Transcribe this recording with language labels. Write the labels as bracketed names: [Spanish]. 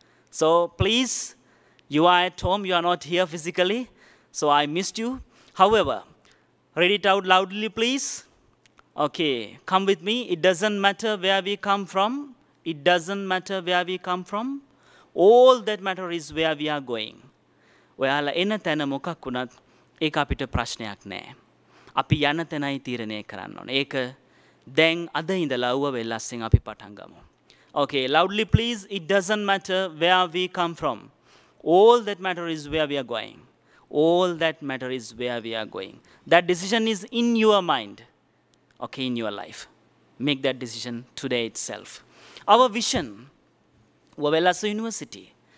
[English] So please, you are at home. You are not here physically. So I missed you. However, read it out loudly, please. Okay, come with me. It doesn't matter where we come from. It doesn't matter where we come from. All that matters is where we are going. [Sinhala] ඔයාලා එන තැන මොකක් වුණත් ඒක අපිට ප්‍රශ්නයක් නෑ. අපි යන තැනයි තීරණය කරන්න ඕනේ. ඒක දැන් අද ඉඳලා ඌව වෙලස්සෙන් අපි පටන් ගමු. [English] Okay, loudly please, it doesn't matter where we come from. All that matter is where we are going. All that matter is where we are going. That decision is in your mind. Okay, in your life. Make that decision today itself. Our vision, Uva Wellassa University.